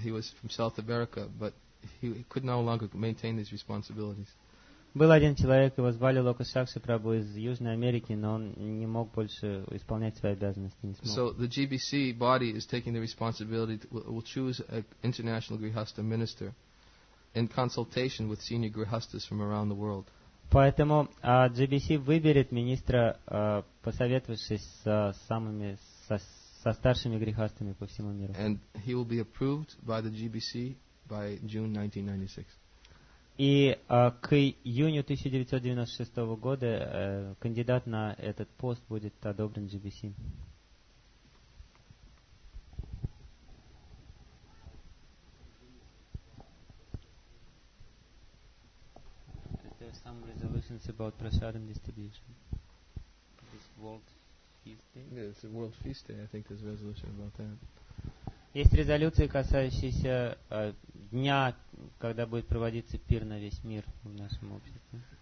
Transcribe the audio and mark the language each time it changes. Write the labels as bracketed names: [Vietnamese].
[English] He was from South America, but he could no longer maintain his responsibilities. [Russian] Был один человек, его звали Локасакши Прабу из Южной Америки, но он не мог больше исполнять свои обязанности. [English] So the GBC body is taking the responsibility will choose an international Grihastha minister in consultation with senior grihasthas from around the world. [Russian] Поэтому GBC выберет министра, посоветовавшись со старшими грихастами по всему миру. [English] And he will be approved by the GBC by June 1996. [Russian] И к июню 1996 года кандидат на этот пост будет одобрен GBC. [English] Some resolutions about prasadam distribution. This World Feast Day. Yeah, it's a World Feast Day. I think there's a resolution about that. [Russian] Есть резолюции, касающиеся дня, когда будет проводиться пир на весь мир в нашем обществе.